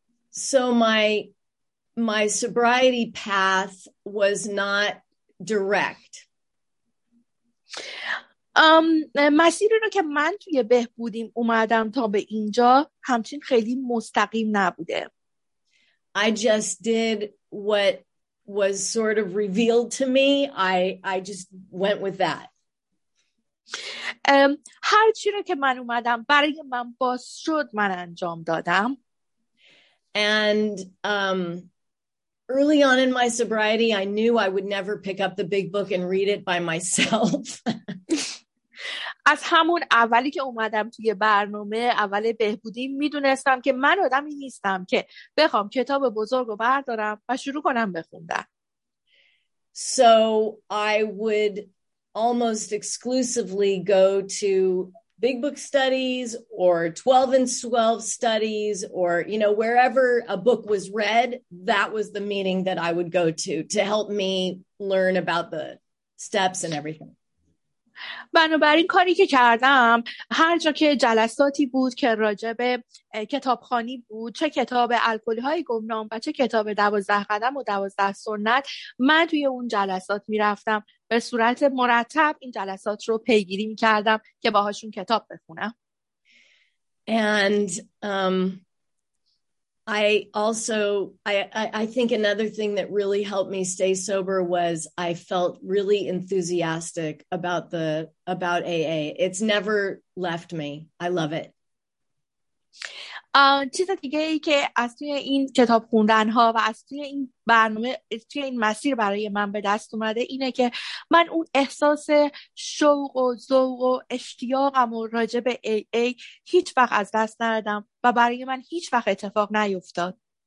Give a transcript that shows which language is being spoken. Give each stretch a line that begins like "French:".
English: So my sobriety path was not direct.
Persian: مسیری رو که من توی بهبودیم اومدم تا به اینجا همچین خیلی مستقیم نبوده.
English: I just did what was sort of revealed to me. I just went with that.
Persian: هر چی رو که من اومدم برای من باز شد من انجام دادم.
English: And early on in my sobriety, I knew I would never pick up the big book and read it by myself.
Persian: از همون اولی که اومدم توی برنامه اول بهبودی میدونستم که من آدمی نیستم که بخوام کتاب بزرگ رو بردارم و شروع کنم بخوندن.
English: So I would almost exclusively go to big book studies or 12 and 12 studies or, you know, wherever a book was read, that was the meeting that I would go to help me learn about the steps and everything.
Persian: بنابراین کاری که کردم هر جا که جلساتی بود که راجع به کتابخوانی بود، چه کتاب الکلی های گمنام و چه کتاب 12 قدم و 12 سنت، من توی اون جلسات میرفتم، به صورت مرتب این جلسات رو پیگیری میکردم که باهاشون کتاب بخونم.
English: And I think another thing that really helped me stay sober was I felt really enthusiastic about AA. It's never left me. I love it.
Persian: چیز دیگه ای که از توی این کتاب خوندن ها و از توی این برنامه، از توی این مسیر برای من به دست اومده اینه که من اون احساس شوق و ذوق و اشتیاقم و راجع به AA هیچ وقت از دست ندادم و برای من هیچ وقت اتفاق نیفتاد.